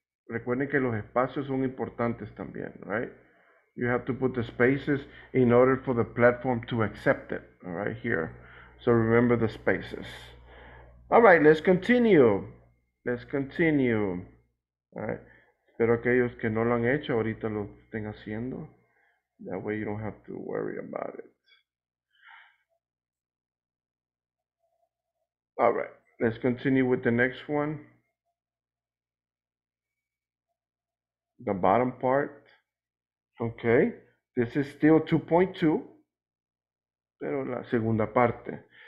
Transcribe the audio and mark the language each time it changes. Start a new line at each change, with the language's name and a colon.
Spanish: Recuerden que los espacios son importantes también, right?
English: You have to put the spaces in order for the platform to accept it, all right, here. So remember the spaces. All right, let's continue. Let's continue. All right.
Spanish: Espero que ellos que no lo han hecho ahorita lo estén haciendo.
English: That way you don't have to worry about it. All right, let's continue with the next one. The bottom part, okay. This is still 2.2,
Spanish: pero la segunda parte.